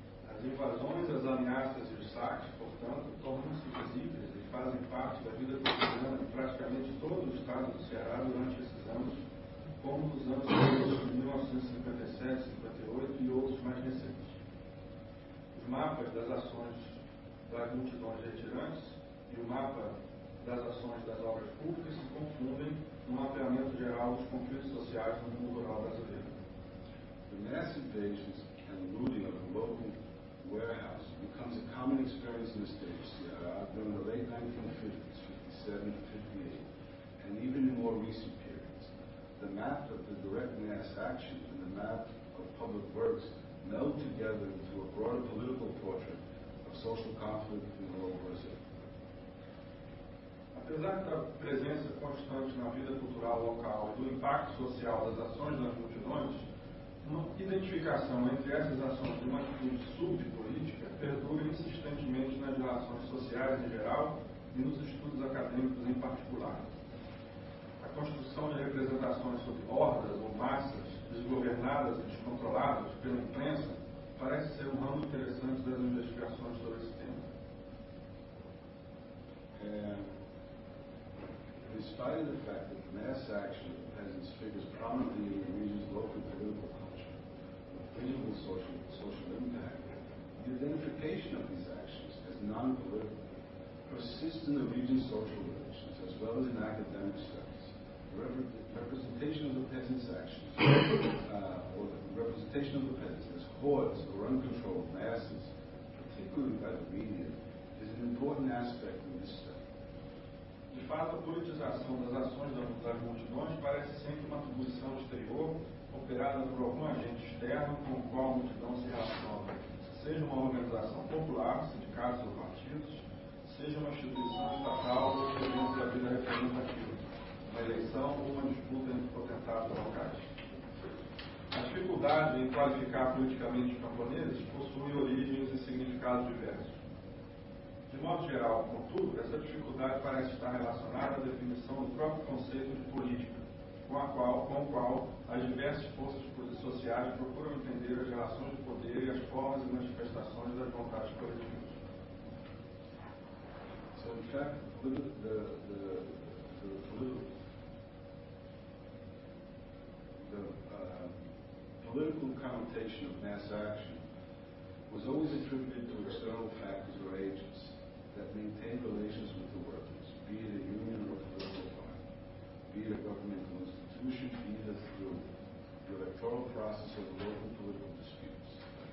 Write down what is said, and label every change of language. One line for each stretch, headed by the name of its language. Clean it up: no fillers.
Portuguese: As invasões, as ameaças e os saques, portanto, tornam-se visíveis e fazem parte da vida cotidiana de praticamente todo o estado do Ceará durante esses anos, como nos anos de 1957, 58 e outros mais recentes. Os mapas das ações das multidões retirantes e o mapa das ações das obras públicas se confundem no mapeamento geral dos conflitos sociais no mundo rural brasileiro.
English: The massive invasions and looting of the local warehouse becomes a common experience in the state of Ceará during the late 1950s, 57, 58, and even in more recent periods. The map of the direct mass action and the map of public works meld together into a broader political portrait of social conflict in rural Brazil.
Portuguese: Apesar da presença constante na vida cultural local e do impacto social das ações nas multidões, uma identificação entre essas ações de uma atitude subpolítica perdura insistentemente nas relações sociais em geral e nos estudos acadêmicos em particular. A construção de representações sobre hordas ou massas desgovernadas e descontroladas pela imprensa parece ser um ramo interessante das investigações sobre esse tema.
English: Despite the fact that mass action has its figures prominently in the region's local political culture, with visible social impact, the identification of these actions as non-political persists in the region's social relations as well as in academic studies. Representation of the peasants' actions, or the representation of the peasants as hordes or uncontrolled masses, particularly by the media, is an important aspect in this study.
Portuguese: De fato, a politização das ações das multidões parece sempre uma atribuição exterior operada por algum agente externo com o qual a multidão se relaciona, seja uma organização popular, sindicatos ou partidos, seja uma instituição estatal ou dependente da vida representativa, uma eleição ou uma disputa entre potentados locais. A dificuldade em qualificar politicamente os camponeses possui origens e significados diversos. De modo geral, contudo, essa dificuldade parece estar relacionada à definição do próprio conceito de política, com o qual as diversas forças sociais procuram entender as relações de poder e as formas e manifestações das vontades coletivas.
English: So, in fact, the political connotation of mass action was always attributed to external factors or agents that maintain relations with the workers, be it a union or a political party, be it a governmental institution, be it through the electoral process or the local political disputes.